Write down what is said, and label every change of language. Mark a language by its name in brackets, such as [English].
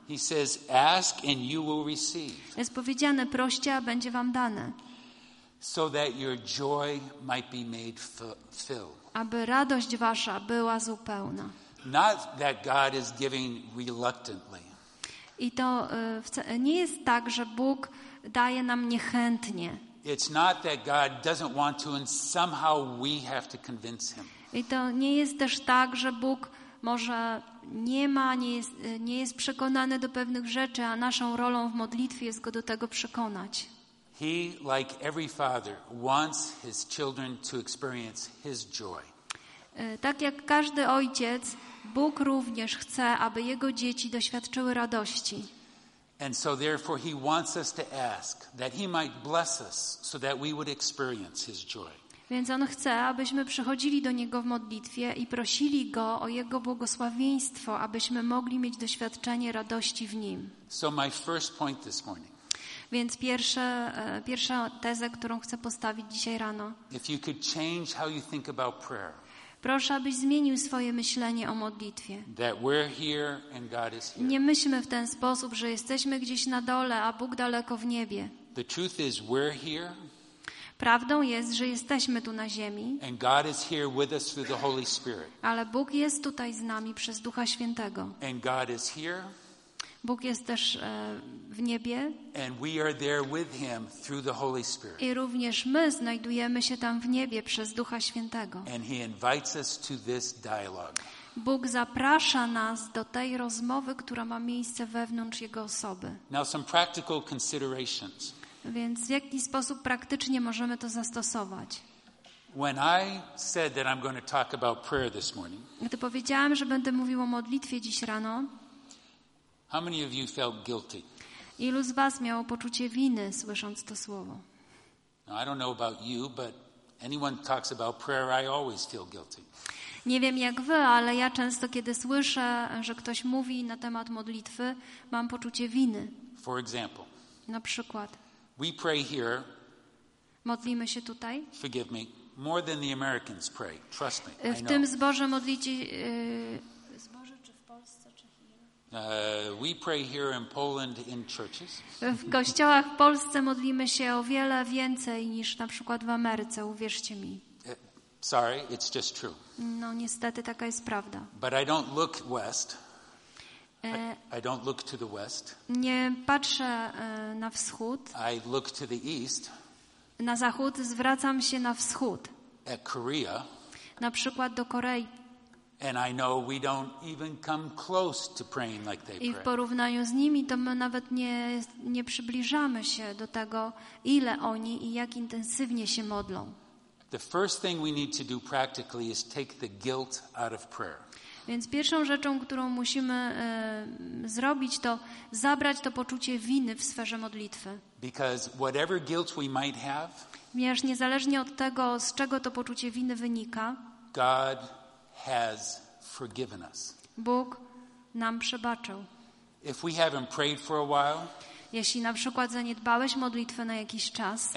[English] He says, "Ask and you will receive." [Polish] Jest powiedziane, proście, a będzie wam dane. [English] So that your joy might be made full. [Polish] Aby radość wasza była zupełna. [English] Not that God is giving reluctantly. [Polish] I to nie jest tak, że Bóg daje nam niechętnie. [English] It's not that God doesn't want to, and somehow we have to convince him. [Polish] I to nie jest też tak, że Bóg może nie ma, nie jest przekonany do pewnych rzeczy, a naszą rolą w modlitwie jest go do tego przekonać. [English] He, like every father, wants his children to experience his joy. [Polish] Tak jak każdy ojciec, Bóg również chce, aby jego dzieci doświadczyły radości. [English] And so therefore he wants us to ask that he might bless us so that we would experience his joy. [Polish] Więc on chce, abyśmy przychodzili do niego w modlitwie i prosili go o jego błogosławieństwo, abyśmy mogli mieć doświadczenie radości w nim. [English] So my first point this morning. [Polish] Więc pierwsza teza, którą chcę postawić dzisiaj rano. [English] If you could change how you think about prayer. [Polish] Proszę, abyś zmienił swoje myślenie o modlitwie. [English] That we're here and God is here. [Polish] Nie myślmy w ten sposób, że jesteśmy gdzieś na dole, a Bóg daleko w niebie. [English] The truth is we're here. [Polish] Prawdą jest, że jesteśmy tu na ziemi. [English] And God is here with us through the Holy Spirit. [Polish] Ale Bóg jest tutaj z nami przez Ducha Świętego. [English] And God is here. [Polish] Bóg jest też w niebie. [English] And we are there with him through the Holy Spirit. [Polish] I również my znajdujemy się tam w niebie przez Ducha Świętego. [English] And he invites us to this dialogue. [Polish] Bóg zaprasza nas do tej rozmowy, która ma miejsce wewnątrz jego osoby. [English] Now some practical considerations. [Polish] Więc w jaki sposób praktycznie możemy to zastosować? [English] When I said that I'm going to talk about prayer this morning. [Polish] Gdy powiedziałem, że będę mówił o modlitwie dziś rano. [English] How many of you felt guilty? [Polish] Ilu z was miało poczucie winy, słysząc to słowo? [English] Now, I don't know about you, but anyone talks about prayer, I always feel guilty. [Polish] Nie wiem jak wy, ale ja często kiedy słyszę, że ktoś mówi na temat modlitwy, mam poczucie winy. [English] For example. [Polish] Na przykład. [English] We pray here. [Polish] Modlimy się tutaj. [English] Forgive me. More than the Americans pray. Trust me. [Polish] W tym zborze modlicie zborze czy w Polsce czy [English] here? We pray here in Poland in churches. [Polish] W kościołach w Polsce modlimy się o wiele więcej niż na przykład w Ameryce, uwierzcie mi. [English] Sorry, it's just true. [Polish] No niestety taka jest prawda. [English] But I don't look west. I don't look to the west. [Polish] Nie patrzę na wschód. [English] I look to the east. [Polish] Na zachód, zwracam się na wschód. [English] At Korea, [Polish] na przykład do Korei. [English] And I know we don't even come close to praying like they pray. [Polish] I w porównaniu z nimi to my nawet nie przybliżamy się do tego, ile oni i jak intensywnie się modlą. [English] The first thing we need to do practically is take the guilt out of prayer. [Polish] Więc pierwszą rzeczą, którą musimy zrobić, to zabrać to poczucie winy w sferze modlitwy. [English] Because whatever guilt we might have, [Polish] ponieważ niezależnie od tego, z czego to poczucie winy wynika, [English] God has forgiven us. [Polish] Bóg nam przebaczył. [English] If we haven't prayed for a while, [Polish] jeśli na przykład zaniedbałeś modlitwę na jakiś czas,